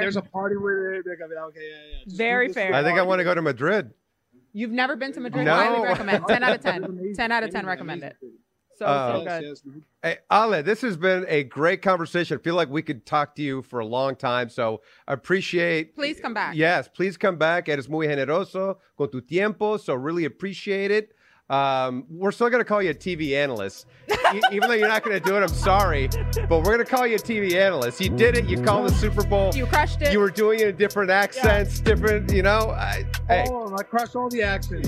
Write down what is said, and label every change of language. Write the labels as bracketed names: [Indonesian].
[English] There's a party where they're going to be like, okay, yeah. Just fair. I think I want to go to Madrid. You've never been to Madrid? No. I would recommend 10 out of 10. 10 out of 10 recommend it. So good. Yes. Hey, Ale, this has been a great conversation. I feel like we could talk to you for a long time. So I appreciate. Please come back. Yes, please come back. [Spanish] Eres muy generoso con tu tiempo. [English] So really appreciate it. We're still going to call you a TV analyst, even though you're not going to do it. I'm sorry, but we're going to call you a TV analyst. You did it. You called the Super Bowl. You crushed it. You were doing it in different accents, different, you know. I crushed all the accents.